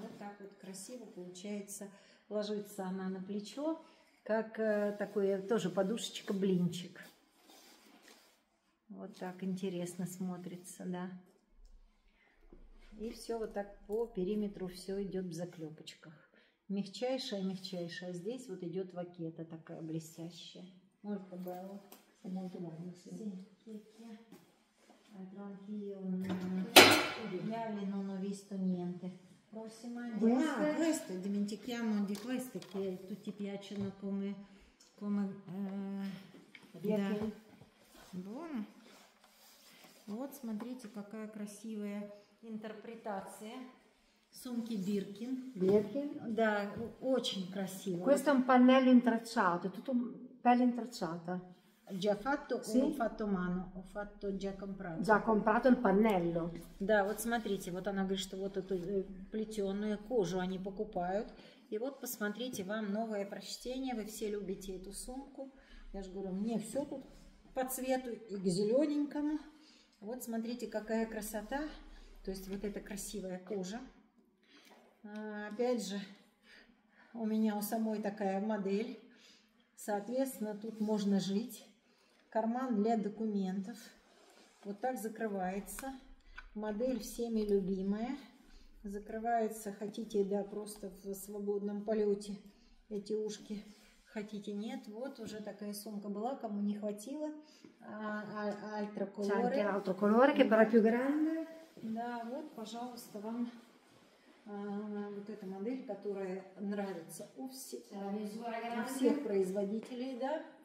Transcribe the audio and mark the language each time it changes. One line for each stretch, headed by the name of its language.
Russian: Вот так вот красиво получается. Ложится она на плечо, как такой тоже подушечка-блинчик. Вот так интересно смотрится, да. И все вот так по периметру все идет в заклепочках. Мягчайшая, мягчайшая. Здесь вот идет вакета такая блестящая. Может, добавила.
Italian: Dimentichiamo di queste che tu ti piacciono come buono.
Russian: Вот смотрите, какая красивая интерпретация. Сумки Birkin. Birkin? Да, очень красиво.
Italian: Questo è un pannello intrecciato, tutto pelle intrecciata. Già fatto, sì? Ho fatto mano, ho fatto già comprato. Già comprato il pannello.
Russian: Да, вот смотрите, вот она говорит, что вот эту плетеную кожу они покупают. И вот посмотрите, вам новое прочтение, вы все любите эту сумку. Я же говорю, мне все тут по цвету и к зелененькому. Вот смотрите, какая красота, то есть вот эта красивая кожа. Опять же, у меня у самой такая модель. Соответственно, тут можно жить. Карман для документов. Вот так закрывается. Модель всеми любимая. Закрывается, хотите, да, просто в свободном полете эти ушки. Хотите, нет. Вот уже такая сумка была, кому не хватило.
Italian: Altro colore. C'è altro colore, che però più grande.
Russian: Да, вот, пожалуйста, вам вот эта модель, которая нравится у, у всех производителей, да?